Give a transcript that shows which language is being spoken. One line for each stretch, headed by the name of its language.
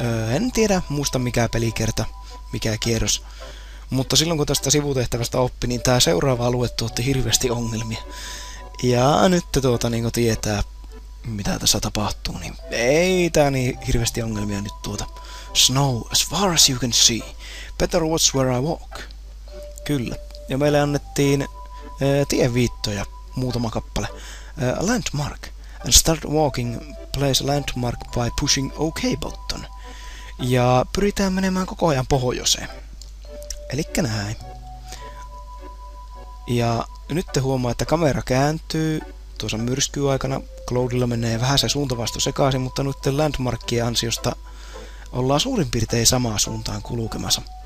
Finnish: En tiedä, muista mikä pelikerta, mikä kierros. Mutta silloin kun tästä sivutehtävästä oppi, niin tää seuraava alue tuotti hirveästi ongelmia. Ja nyt niin kun tietää, mitä tässä tapahtuu, niin ei tää niin hirveästi ongelmia nyt tuota.
English: Snow, as far as you can see, better watch where I walk.
Finnish: Kyllä. Ja meille annettiin tieviittoja, muutama kappale.
English: Landmark, and start walking, place landmark by pushing OK button.
Finnish: Ja pyritään menemään koko ajan pohjoiseen. Elikkä näin. Ja nyt te huomaa, että kamera kääntyy tuossa myrskyn aikana. Cloudilla menee vähän se suuntavasto sekaisin, mutta nyt landmarkkien ansiosta ollaan suurin piirtein samaan suuntaan kulkemassa.